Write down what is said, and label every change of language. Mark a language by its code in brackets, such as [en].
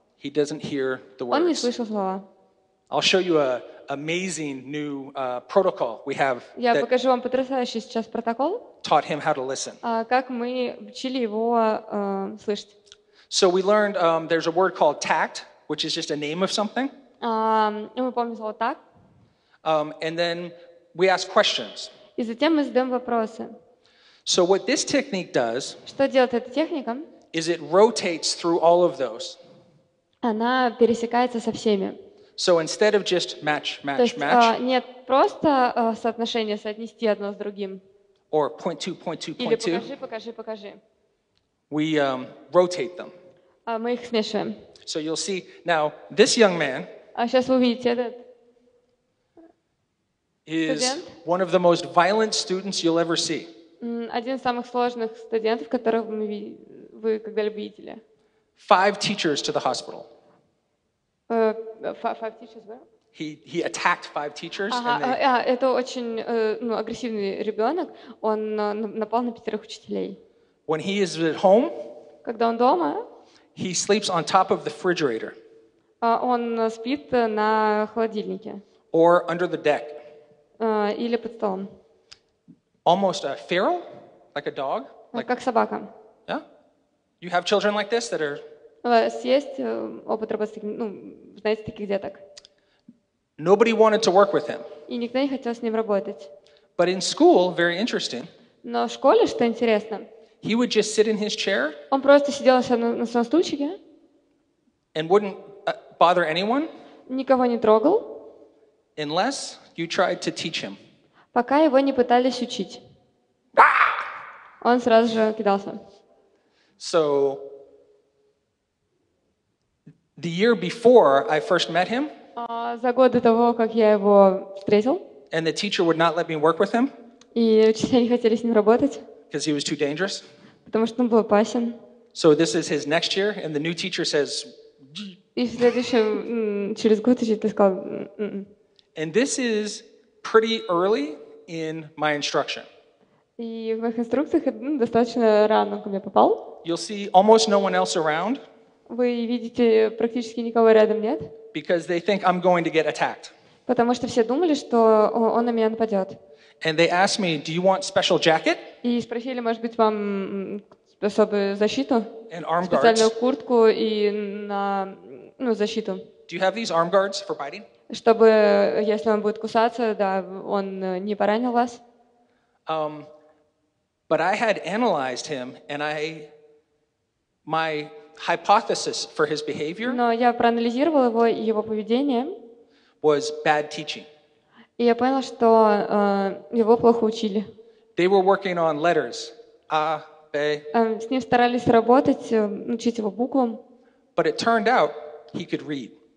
[en] He doesn't hear the words. [ru] Он не слышал слова. [en] I'll show you a amazing new protocol we have. [ru] Я покажу вам потрясающий сейчас протокол. [en] Taught him how to listen. [ru] Как мы учили его слышать. [en] So we learned there's a word called tact, which is just a name of something. [ru] Мы помним слово так. [en] And then we ask questions. [ru] И затем мы задаем вопросы. [en] So what this technique does? [ru] Что делает эта техника? [en] Is it rotates through all of those? [ru] Она пересекается со всеми. [en] So instead of just match, match, [ru] то есть, [en] match. [ru] Нет, просто соотношение соотнести одно с другим. [en] Or point two, point two, point two. [ru] Или покажи, покажи, покажи. [en] We rotate them. [ru] Мы их смешиваем. [en] So you'll see now this young man. [ru] Сейчас вы увидите этот. [en] Is one of the most violent students you'll ever see. [ru] Один из самых сложных студентов, которых вы когда-либо видели. [en] Five teachers to the hospital. Five teachers, right? He attacked five teachers. [ru] Это очень агрессивный ребенок. Он напал на пятерых учителей. [en] When he is at home, [ru] когда он дома, [en] he sleeps on top of the refrigerator. [ru] Он спит на холодильнике. [en] Or under the deck. [ru] Или под столом. [en] Almost a feral, like a dog. [ru] Как собака. [en] Yeah? You have children like this that are... [ru] У вас есть опыт работы, знаете, таких деток? [en] Nobody wanted to work with him. [ru] И никто не хотел с ним работать. [en] But in school, very interesting. [ru] Но в школе, что интересно, [en] he would just sit in his chair. [ru] Он просто сидел на своем стульчике. [en] And wouldn't bother anyone. [ru] Никого не трогал. [en] Unless you tried to teach him. [ru] Пока его не пытались учить. Он сразу же кидался. [en] So, the year before I first met him, [ru] за год до того, как я его встретил, [en] and the teacher would not let me work with him, [ru] и учителя не хотели с ним работать, [en] because he was too dangerous, [ru] потому что он был опасен. [en] So this is his next year, and the new teacher says, [ru] и в следующем, через год учитель сказал, [en] and this is pretty early in my instruction. [ru] И в моих инструкциях достаточно рано ко мне попал. [en] You'll see almost no one else around. [ru] Вы видите, практически никого рядом нет. [en] Because they think I'm going to get attacked. [ru] Потому что все думали, что он на меня нападет. [en] And they asked me, do you want special jacket? [ru] И спросили, может быть, вам особую защиту? [en] And arm guards. [ru] Специальную куртку и на, ну, защиту. [en] Do you have these arm guards for biting? [ru] Чтобы, если он будет кусаться, да, он не поранил вас. [en] But I had analyzed him, and my hypothesis for his behavior. [ru] Но я проанализировал его и его поведение. [en] Was bad teaching. [ru] И я понял, что его плохо учили. [en] They were working on letters. A, B. [ru] С ним старались работать, учить его буквам. [en] But it turned out he could read.